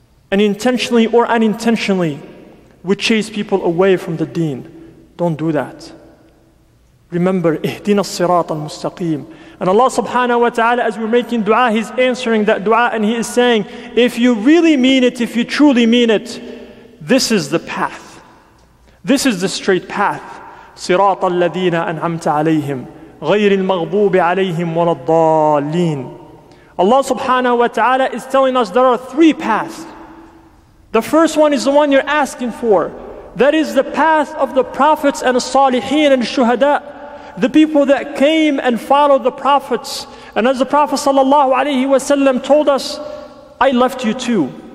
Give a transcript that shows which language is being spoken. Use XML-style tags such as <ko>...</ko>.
<en>And intentionally or unintentionally, we chase people away from the deen. Don't do that. Remember,</en> <ar>اهدنا الصراط المستقيم.</ar> <en>And Allah subhanahu wa ta'ala, as we're making dua, He's answering that dua and He is saying, if you really mean it, if you truly mean it, this is the path. This is the straight path.</en> <ar>صراط الذين أنعمت عليهم غير المغضوب عليهم ولا الضالين.</ar> <en>Allah subhanahu wa ta'ala is telling us there are three paths. The first one is the one you're asking for. That is the path of the prophets and salihin and shuhada, the people that came and followed the prophets. And as the Prophet sallallahu alayhi wa sallam told us, I left you too.</en>